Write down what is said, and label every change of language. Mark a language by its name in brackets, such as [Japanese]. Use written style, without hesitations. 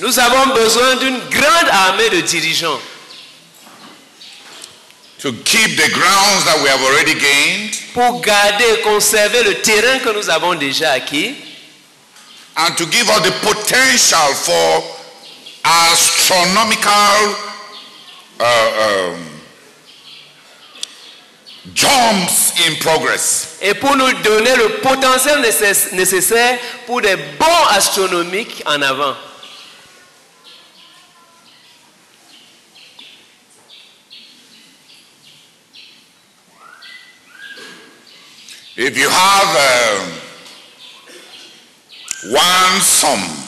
[French] Nous avons besoin d'une grande armée de dirigeants. [English] To keep the grounds that we have already gained. [French] Pour garder et conserver le terrain que nous avons déjà acquis. [English] And to give us the potential for astronomical jumps in progress. [French] Et pour nous donner le potentiel nécessaire pour des bons astronomiques en avant. [English] If you have one sum,